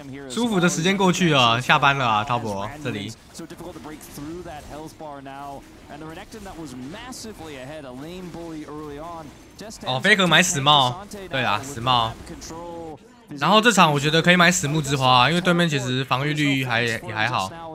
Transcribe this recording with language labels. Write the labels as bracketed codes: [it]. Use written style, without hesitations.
[zh] 舒服的时间过去了，下班了啊，滔博这里。 [en] So difficult to break through that health bar now, and the Renekton that was massively ahead, a lame bully early on, just to. [zh] 哦，飞哥买死帽，对啊，死帽。然后这场我觉得可以买死木之花，因为对面其实防御率还也还好。